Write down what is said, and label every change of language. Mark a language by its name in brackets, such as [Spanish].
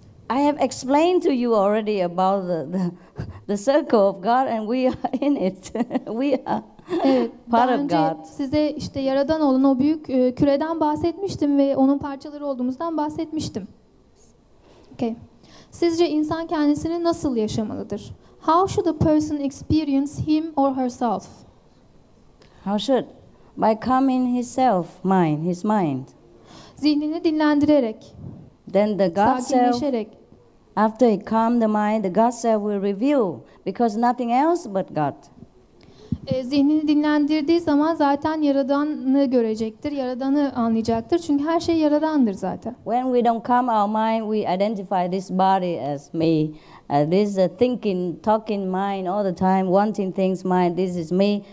[English] I have explained to you already about the circle of God and we are in it. We are part of God. [Turkish] Size işte yaradan olan o büyük küreden bahsetmiştim ve onun parçaları olduğumuzdan bahsetmiştim. Okay. Sizce insan kendisini nasıl yaşamalıdır? [English] How should a person experience him or herself? How should? By calming himself, mind, his mind. [Turkish] Zihnini dinlendirerek. [English] Then the God self, after he calmed the mind, the God self will reveal because nothing else but God. [Turkish] Zihnini dinlendirdiği zaman zaten Yaradan'ı görecektir, Yaradan'ı anlayacaktır. Çünkü her şey Yaradan'dır zaten. [English] When we don't calm our mind, we identify this body as me. This is a thinking, talking mind all the time, wanting things, mind, this is me.